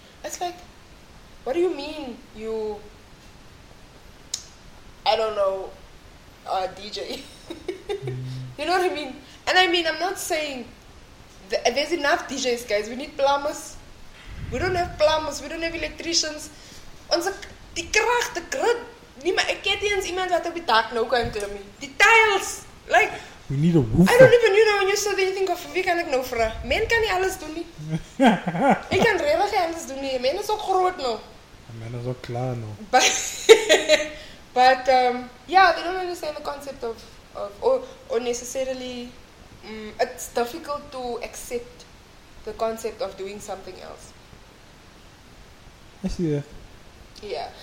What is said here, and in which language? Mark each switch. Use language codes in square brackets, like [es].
[en] It's like, what do you mean you, I don't know, are a DJ? You know what I mean? And I mean, I'm not saying there's enough DJs, guys. We need plumbers. We don't have plumbers. We don't have electricians. [af] Ons die krag, the grid. Nee, maar ek ken eens iemand wat op die dak nou kan klim. Die tiles, like. [en] We need a woofer. I don't even, you know, when you said anything of [af] wie kan ek nou vra? Men kan nie alles doen nie. Ek kan regtig alles doen nie. Men is ook groot nou. Men is ook klaar nou. [en] But yeah, they don't understand the concept of necessarily. It's difficult to accept the concept of doing something else. I see that. Yeah.